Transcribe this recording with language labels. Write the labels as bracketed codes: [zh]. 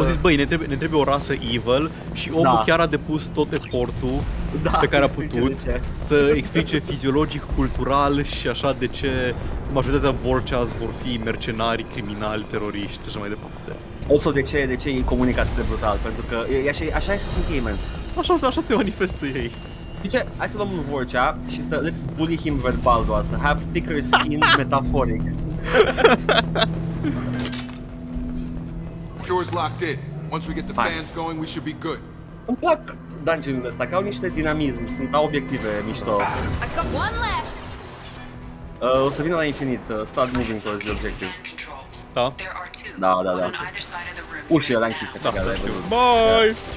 [ro] A zis, băi, ne trebuie o rasă evil și omul chiar a depus tot efortul pe care a putut să explice fiziologic, cultural și așa de ce majoritatea Vorchaz vor fi mercenari, criminali, teroriști și așa mai departe. Also, de ce ei comunică atât de brutal? Pentru că așa și sunt ei, man. Așa se manifestă ei. Zice, hai să luăm un Vorcha și să let's bully him verbal, doar să have thicker skin, metaforic. [en] Cure's locked in. Once we get the fans going, we should be good. [ro] Îmi plac dungeonul ăsta, că au niște dinamism, sunt au obiective mișto. [en] I've got one left. O să vină la infinit, start moving towards the objective. [ro] da? Da, da, da. Ușile alea închise. Da, bye!